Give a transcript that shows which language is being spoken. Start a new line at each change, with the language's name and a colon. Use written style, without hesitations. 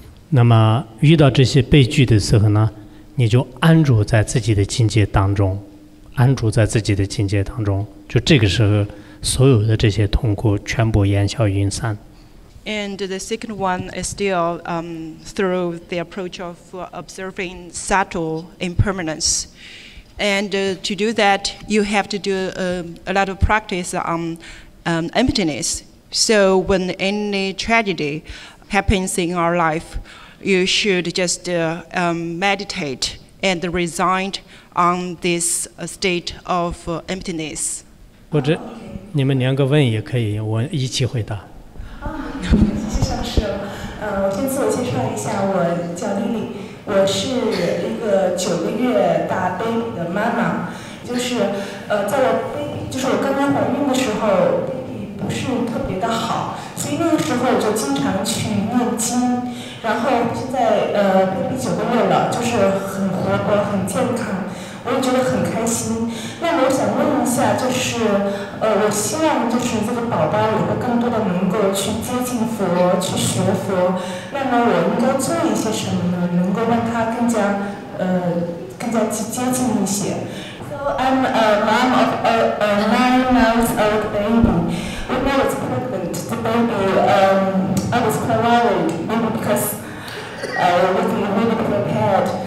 Chinese: 那么遇到这些悲剧的时候呢，你就安住在自己的境界当中。安住在自己的境界当中，就这个时候所有的这些痛苦全部烟消云散。
English: And the second one is still through the approach of observing subtle impermanence. And to do that, you have to do a lot of practice on emptiness. So when any tragedy happens in our life, you should just meditate and resignon this state of emptiness.
Chinese: 或者你们连个问也可以，我一起回答。谢谢上师。我先自我介绍一下，我叫丽丽，我是一个9个月大 baby 的妈妈。就是在我 baby， 就是我刚刚怀孕的时候 ，baby 不是特别的好，所以那个时候我就经常去念经。然后现在baby 9个月了，就是很活泼，很健康。我也觉得很开心。那我想问一下，就是我希望就是这个宝宝以后更多的能够去接近佛，去学佛。那么我应该做一些什么呢？能够让他更加去接近一些。
English: So I'm a mom of a 9-month-old baby. When I was pregnant, the baby, I was quite worried, maybe because with the baby prepared.